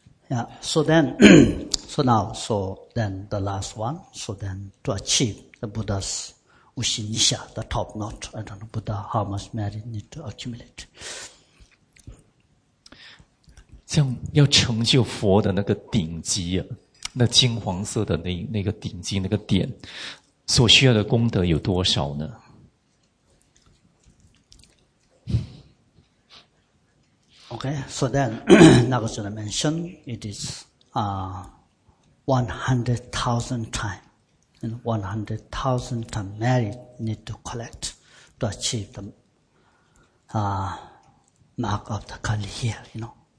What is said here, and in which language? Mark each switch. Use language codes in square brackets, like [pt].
[en] Yeah, so then, so now, so then the last one, so then to achieve the Buddha's Ushinisha, the top note, I don't know Buddha, how much merit need to accumulate. [zh] 这样要成就佛的那个顶级啊，那金黄色的那个顶级那个点，所需要的功德有多少呢？ [en] Okay, so then Nagarjuna mentioned it is 100,000 times, you know, 100,000 times merit need to collect to achieve the mark of the curly hair, you know.